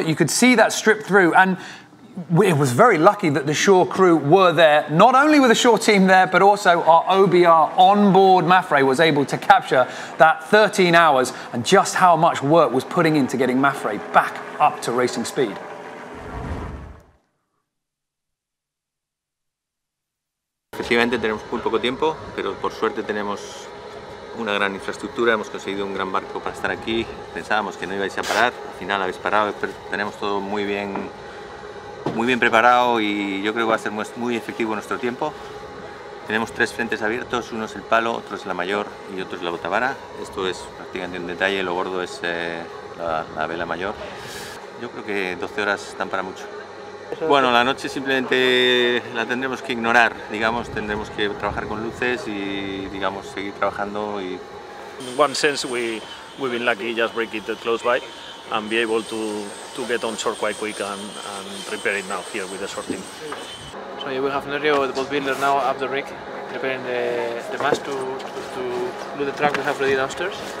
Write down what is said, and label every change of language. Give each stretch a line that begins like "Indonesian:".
English: You could see that strip through. And it was very lucky that the shore crew were there. Not only were the shore team there, but also our OBR on board MAPFRE was able to capture that 13 hours and just how much work was putting into getting MAPFRE back up to racing speed.
Spanish: Efectivamente tenemos muy poco tiempo, pero por suerte tenemos una gran infraestructura, hemos conseguido un gran barco para estar aquí. Pensábamos que no ibais a parar, al final habéis parado, pero tenemos todo muy bien preparado y yo creo que va a ser muy efectivo nuestro tiempo. Tenemos tres frentes abiertos, uno es el palo, otro es la mayor y otro es la botavara. Esto es prácticamente un detalle, lo gordo es la vela mayor. Yo creo que 12 horas están para mucho. Bueno, la noche simplemente la tendremos que ignorar, digamos, tendremos que trabajar con luces y, digamos, seguir trabajando y...
English: In one sense, we've been lucky, just break it close by and be able to get on shore quite quick and repair it now here with the shore team. So yeah, we have Nerio, the boat builder, now up the rig, preparing the mast to do the track we have ready downstairs.